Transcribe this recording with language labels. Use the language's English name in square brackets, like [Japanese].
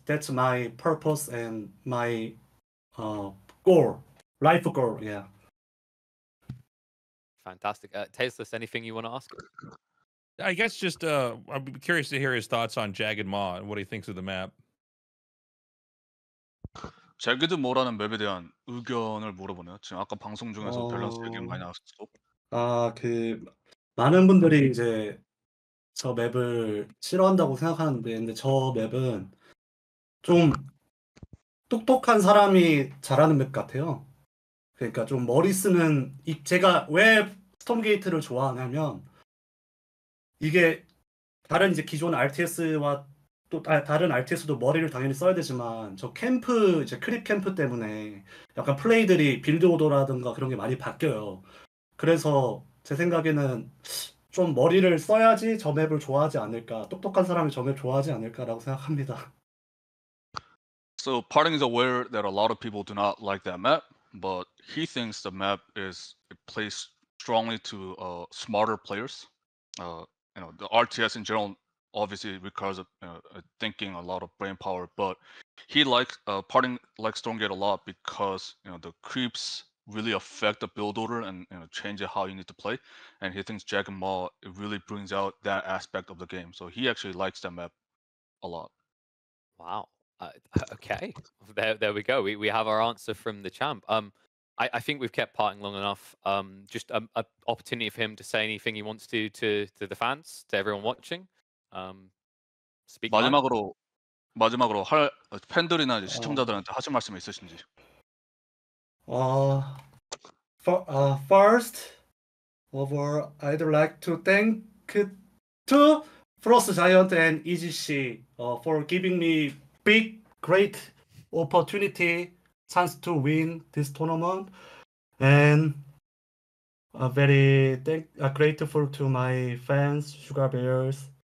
[English] That's my purpose and my goal, life goal, yeah. Fantastic. Tasteless, anything you want to ask? I guess just, I'd be curious to hear his thoughts on Jagged Maw and what he thinks of the map. [Korean] Jagged Maw라는 맵에 대한 의견을 물어보네요. 지금 아까 방송 중에서 밸런스 얘기 많이 나왔었고. 아, 그 많은 분들이 이제 저 맵을 싫어한다고 생각하는데 근데 저 맵은 좀 똑똑한 사람이 잘하는 맵 같아요. 그러니까 좀 머리 쓰는 제가 왜 스톰게이트를 좋아하냐면 이게 다른 이제 기존 RTS와 또 다른 RTS도 머리를 당연히 써야 되지만 저 캠프 이제 크립 캠프 때문에 약간 플레이들이 빌드 오더라든가 그런 게 많이 바뀌어요. 그래서 제 생각에는 좀 머리를 써야지 저 맵을 좋아하지 않을까. 똑똑한 사람이 저 맵 좋아하지 않을까라고 생각합니다. [English] So PartinG is aware that a lot of people do not like that map, but he thinks the map is plays strongly to smarter players. You know, the RTS in general obviously requires thinking, a lot of brain power, but he likes PartinG likes Stormgate a lot because you know the creeps really affect the build order and you know change how you need to play, and he thinks Jagged Maw really brings out that aspect of the game. So he actually likes that map a lot. Wow. Okay, there we go. We have our answer from the champ. I think we've kept PartinG long enough. Just an opportunity for him to say anything he wants to the fans, to everyone watching. Speak. [Korean] 마지막으로 할 팬들이나 시청자들한테 하실 말씀이 있으신지. [English] First of all, I'd like to thank to Frost Giant and EGC for giving me big great opportunity chance to win this tournament and I'm very grateful to my fans Sugar Bears.